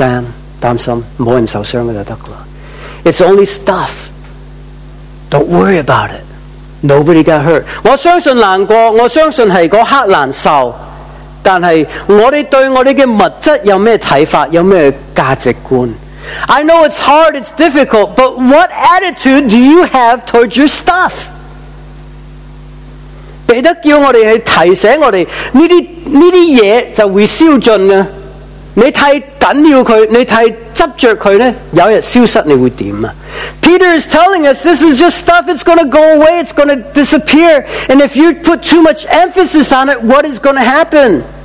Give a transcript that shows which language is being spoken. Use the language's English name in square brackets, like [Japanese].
[Chinese] 這些東西,這些東西,不用擔心,沒人受傷就可以了。 [English] It's only stuff. Don't worry about it. Nobody got hurt. [Chinese] 我相信難過,我相信是那一刻難受, 但是我們對我們的物質有什麼看法,有什麼價值觀? [English] I know it's hard, it's difficult, but what attitude do you have towards your stuff? [Chinese] 彼得叫我們去提醒我們,這些東西就會燒盡,你太緊要它,你太執著它,有一天消失你會怎樣? [English] Peter is telling us, this is just stuff, it's going to go away, it's going to disappear. And if you put too much emphasis on it, what is going to happen?